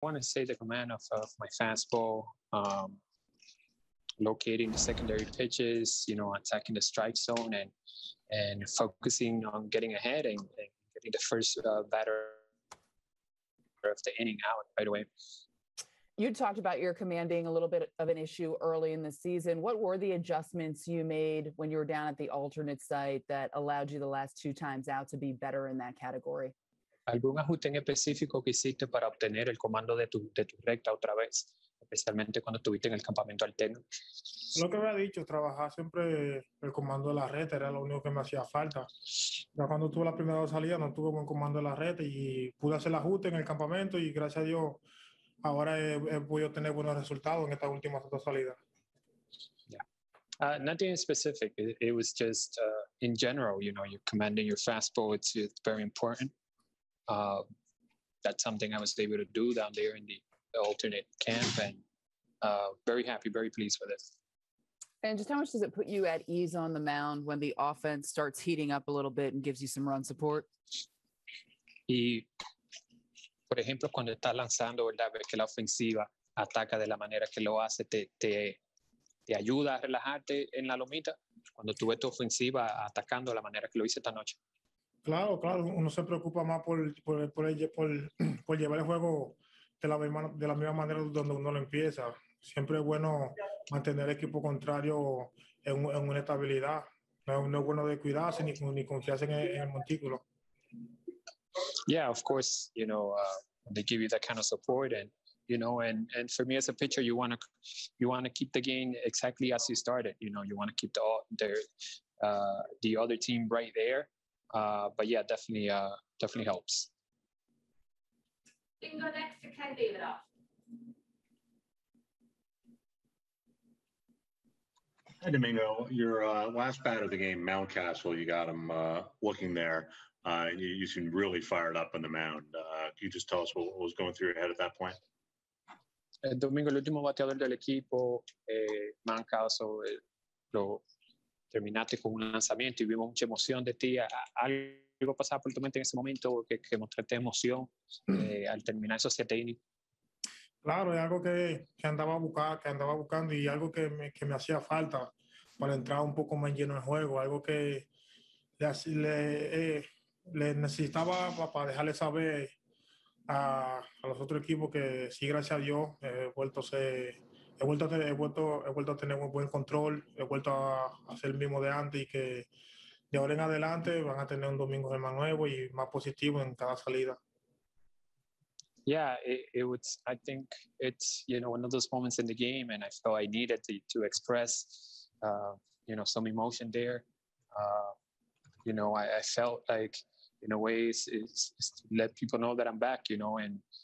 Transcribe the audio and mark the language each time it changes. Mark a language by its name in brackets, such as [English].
[English] I want to say the command of my fastball, locating the secondary pitches, you know, attacking the strike zone and focusing on getting ahead and getting the first batter of the inning out right away. You talked about your command being a little bit of an issue early in the season. What were the adjustments you made when you were down at the alternate site that allowed you the last two times out to be better in that category? [Spanish] ¿Algún ajuste en específico que hiciste para obtener el comando de tu recta otra vez, especialmente cuando estuviste en el campamento alterno? Lo que había dicho, trabajar siempre el comando de la recta era lo único que me hacía falta. Ya cuando tuve la primera salida no tuve buen comando de la recta y pude hacer el ajuste en el campamento y gracias a Dios ahora he podido tener buenos resultados en estas últimas dos salidas. [English] Nothing specific. It was just in general, you know, you're commanding your fastball. It's very important. That's something I was able to do down there in the alternate camp, and very happy, very pleased with it. And just how much does it put you at ease on the mound when the offense starts heating up a little bit and gives you some run support? [Spanish] Y, por ejemplo, cuando estás lanzando, ¿verdad? Ves que la ofensiva ataca de la manera que lo hace, te ayuda a relajarte en la lomita. Cuando tú ves tu ofensiva atacando de la manera que lo hice esta noche. Claro, claro. Uno se preocupa más por llevar el juego de la misma manera donde uno lo empieza. Siempre es bueno mantener el equipo contrario en una estabilidad. No es bueno descuidarse ni confiarse en el montículo. [English] Yeah, of course. You know, they give you that kind of support, and you know, and for me as a pitcher, you want to keep the game exactly as you started. You know, you want to keep the other team right there. But yeah, definitely helps. Then go next to Ken Davidoff. Hi, Domingo. Your last bat of the game, Mountcastle, you got him looking there. You seemed really fired up on the mound. Can you just tell us what was going through your head at that point? [Spanish] Domingo, el último bateador del equipo, Mountcastle, terminaste con un lanzamiento y vimos mucha emoción de ti. ¿Algo pasaba por tu mente en ese momento que mostraste emoción al terminar esos siete innings? Claro, es algo que andaba buscando y algo que me hacía falta para entrar un poco más lleno en el juego. Algo que le necesitaba para dejarle saber a los otros equipos que sí, gracias a Dios, he vuelto a tener un buen control, he vuelto a hacer el mismo de antes y que de ahora en adelante van a tener un Domingo German nuevo y más positivo en cada salida. [English] Yeah, I think it's, you know, one of those moments in the game and I felt I needed to express, you know, some emotion there. You know, I felt like, in a way, it's to let people know that I'm back, you know, and...